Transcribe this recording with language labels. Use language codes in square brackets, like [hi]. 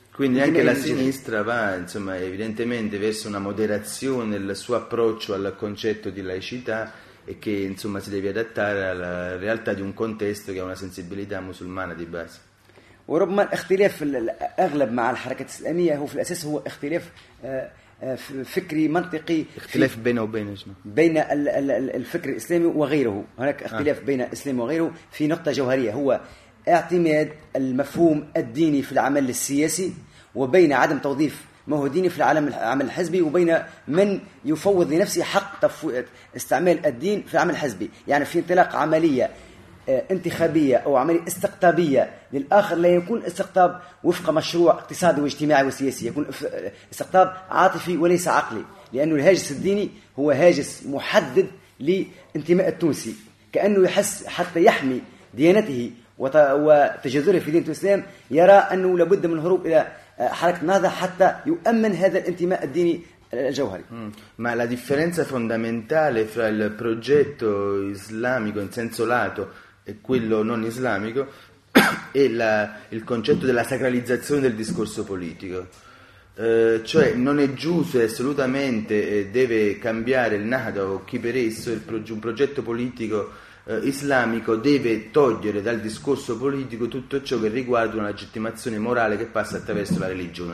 [it] Quindi anche la sinistra va, insomma, evidentemente verso una moderazione nel suo approccio al concetto di laicità e che, insomma, si deve adattare alla realtà di un contesto che ha una sensibilità musulmana di base. [ar] وربما الاختلاف الأغلب مع الحركة الإسلامية هو في الأساس هو اختلاف فكري منطقي. اختلاف بينه وبين شنو؟ بين الفكر الإسلامي وغيره. هناك اختلاف بين الإسلام وغيره في نقطة جوهرية هو اعتماد المفهوم الديني في العمل السياسي وبين عدم توظيف ما هو ديني في العمل الحزبي وبين من يفوض لنفسه حق استعمال الدين في العمل الحزبي. يعني في انطلاق عملية انتخابية أو عملية استقطابية للآخر لا يكون استقطاب وفق مشروع اقتصادي واجتماعي وسياسي، يكون استقطاب عاطفي وليس عقلي، لأنه الهاجس الديني هو هاجس محدد لانتماء التونسي كأنه يحس حتى يحمي ديانته وتجذره في دين الإسلام يرى أنه لابد من الهروب إلى حركة النهضة حتى يؤمن هذا الانتماء الديني الجوهري. [it] ما la differenza fondamentale fra il progetto islamico in senso lato e quello non islamico è il concetto della sacralizzazione del discorso politico. Cioè non è giusto e assolutamente deve cambiare il Nahda o chi per esso un progetto politico islamico deve togliere dal discorso politico tutto ciò che riguarda una legittimazione morale che passa attraverso la religione.